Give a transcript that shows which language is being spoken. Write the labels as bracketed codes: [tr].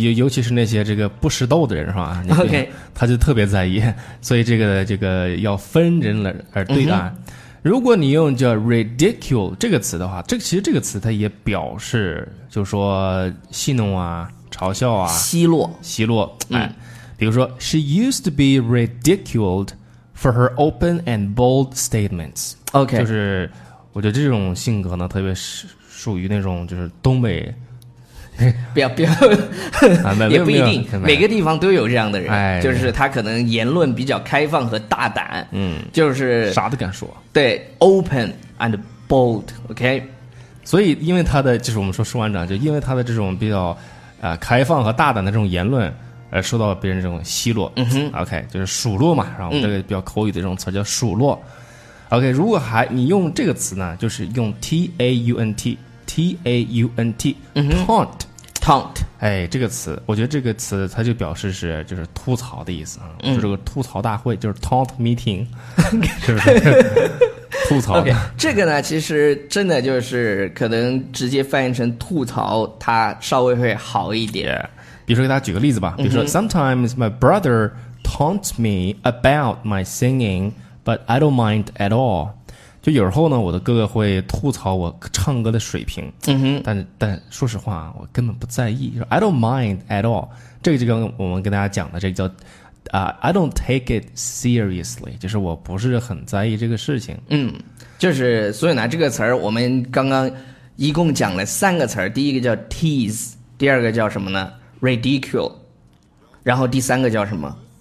[zh] 尤其是那些这个不识逗的人是吧， [en] OK, [zh] 他就特别在意，所以这个要分人而对待、嗯、如果你用叫 ridicule 这个词的话，这其实这个词它也表示就是说戏弄啊，嘲笑啊，奚落、比如说 [en] She used to be ridiculed for her open and bold statements. OK, [zh] 就是我觉得这种性格呢特别属于那种就是东北，不要也不一定，每个地方都有这样的人，就是他可能言论比较开放和大胆，嗯，就是啥都敢说，对 [en] ，open and bold, OK。 [zh] 所以，因为他的就是我们说完整，就因为他的这种比较开放和大胆的这种言论，而受到别人这种奚落，嗯哼，OK, 就是数落嘛，然后这个比较口语的这种词叫数落 ，OK。如果还你用这个词呢，就是用 taunt。 [en] T-A-U-N-T、嗯、 Taunt、哎、 [zh] 这个词我觉得这个词它就表示是就是吐槽的意思、嗯、就是个吐槽大会，就是 Taunt Meeting 是不是吐槽的、okay, 这个呢其实真的就是可能直接翻译成吐槽它稍微会好一点、 [en] yeah. [zh] 比如说给大家举个例子吧，比如说、嗯、 [en] Sometimes my brother taunts me about my singing but I don't mind at all, [zh] 就有时候呢我的哥哥会吐槽我唱歌的水平，嗯哼，但说实话我根本不在意，就是 [en] I don't mind at all, [zh] 这个就跟我们跟大家讲的这个叫 [en] I don't take it seriously, [zh] 就是我不是很在意这个事情，嗯，就是所以呢这个词儿我们刚刚一共讲了三个词儿，第一个叫 tease, 第二个叫什么呢 ridicule, 然后第三个叫什么